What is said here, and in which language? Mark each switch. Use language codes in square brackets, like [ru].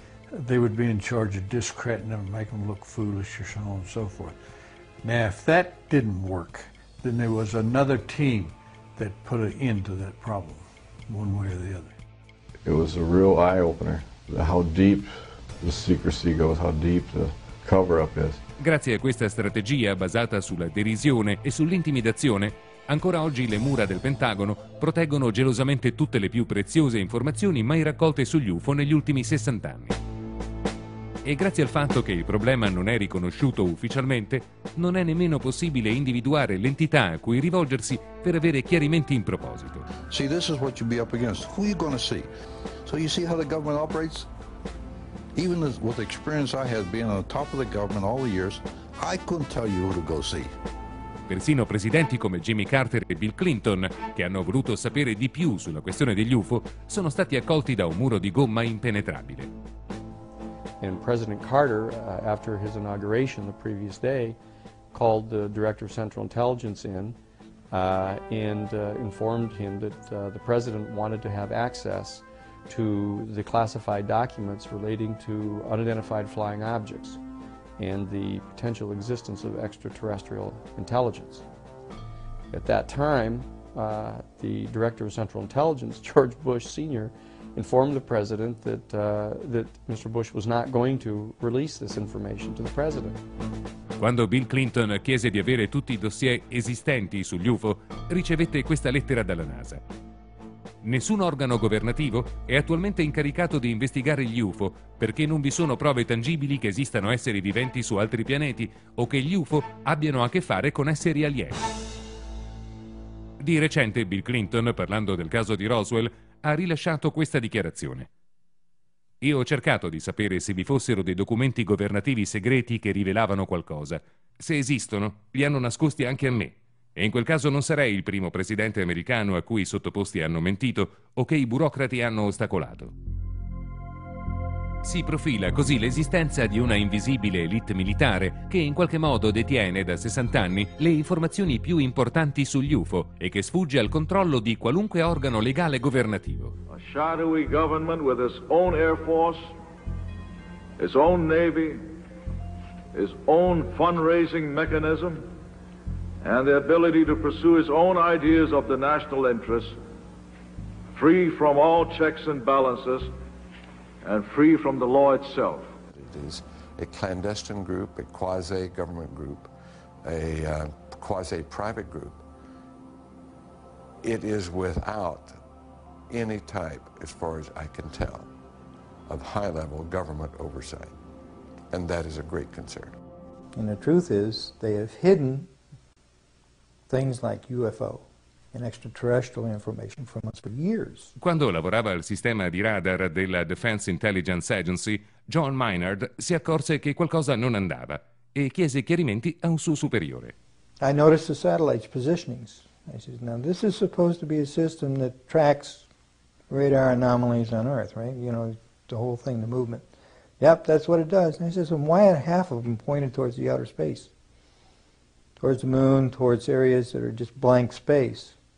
[en] And they would be in charge of discrediting them, make them look foolish, or so on and so forth. Now, if that didn't work, then there was another team that put an end to that problem, one way or the other. It was a real eye-opener, how deep the secrecy goes, how deep the cover-up is. [it] Grazie a questa strategia basata sulla derisione e sull'intimidazione, ancora oggi le mura del Pentagono proteggono gelosamente tutte le più preziose informazioni mai raccolte sugli UFO negli ultimi 60 anni. E grazie al fatto che il problema non è riconosciuto ufficialmente, non è nemmeno possibile individuare l'entità a cui rivolgersi per avere chiarimenti in proposito. [en] See, this is what you'll be up against. Who are you going to see? So you see how the government operates? Even with the experience I had being on top of the government all the years, I couldn't tell you who to go see. [it] Persino presidenti come Jimmy Carter e Bill Clinton, che hanno voluto sapere di più sulla questione degli UFO, sono stati accolti da un muro di gomma impenetrabile. [en] And President Carter, after his inauguration the previous day, called the Director of Central Intelligence in and informed him that the President wanted to have access to the classified documents relating to unidentified flying objects and the potential existence of extraterrestrial intelligence. At that time, the Director of Central Intelligence, George Bush Sr., informed the President that that Mr. Bush was not going to release this information to the President. [it] Quando Bill Clinton chiese di avere tutti i dossier esistenti sugli UFO, ricevette questa lettera dalla NASA. Nessun organo governativo è attualmente incaricato di investigare gli UFO perché non vi sono prove tangibili che esistano esseri viventi su altri pianeti o che gli UFO abbiano a che fare con esseri alieni. Di recente Bill Clinton, parlando del caso di Roswell, ha rilasciato questa dichiarazione. Io ho cercato di sapere se vi fossero dei documenti governativi segreti che rivelavano qualcosa. Se esistono, li hanno nascosti anche a me. E in quel caso non sarei il primo presidente americano a cui i sottoposti hanno mentito o che i burocrati hanno ostacolato. Si profila così l'esistenza di una invisibile elite militare che in qualche modo detiene da 60 anni le informazioni più importanti sugli UFO e che sfugge al controllo di qualunque organo legale governativo. [en] A shadowy government with its own air force, its own navy, its own fundraising mechanism and the ability to pursue its own ideas of the national interest, free from all checks and balances and free from the law itself. It is a clandestine group, a quasi-government group, a quasi-private group. It is without any type, as far as I can tell, of high-level government oversight. And that is a great concern. And the truth is, they have hidden things like UFO and extraterrestrial information from us for years. [it] Quando lavorava al sistema di radar della Defense Intelligence Agency, John Maynard si accorse che qualcosa non andava e chiese chiarimenti a un suo superiore. [en] I noticed the satellite's positionings. I said, now this is supposed to be a system that tracks radar anomalies on Earth, right? You know, the whole thing, the movement. Yep, that's what it does. And he says, why are half of them pointed towards the outer space? Towards the moon, towards areas that are just blank space.